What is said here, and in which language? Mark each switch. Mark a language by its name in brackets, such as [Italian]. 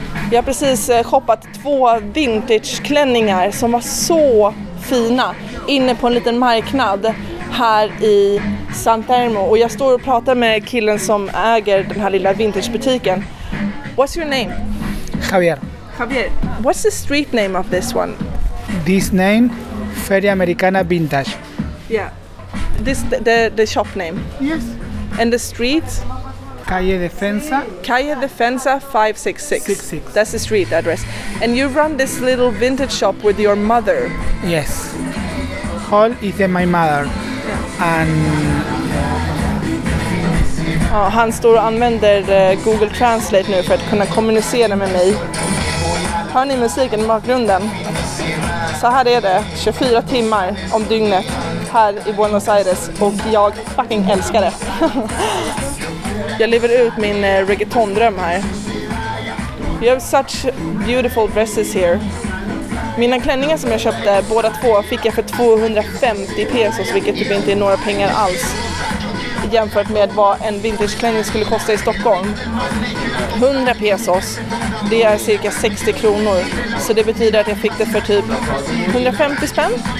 [Swedish] Jag har precis shoppat 2 vintage-klänningar som var så fina inne på en liten marknad här i San Telmo, och jag står och pratar med killen som äger den här lilla vintagebutiken. [English] What's your name? Javier. Javier, what's the street name of this one? This name, Feria Americana Vintage. Yeah. This the shop name? Yes. And the street? Calle Defensa. Calle Defensa 566. 66. That's the street address. And you run this little vintage shop with your mother? Yes. Hall is my mother. And [Swedish] oh, han står och använder Google Translate nu för att kunna kommunicera med mig. Hör ni musiken i bakgrunden? Så här är det, 24 timmar om dygnet här i Buenos Aires. Och jag fucking älskar det. Jag lever ut min reggaetondröm här. [English] You have such beautiful dresses here. [Swedish] Mina klänningar som jag köpte, båda två, fick jag för 250 pesos, vilket typ inte är några pengar alls jämfört med vad en vintageklänning skulle kosta i Stockholm. 100 pesos, det är cirka 60 kronor. Så det betyder att jag fick det för typ 150 spänn?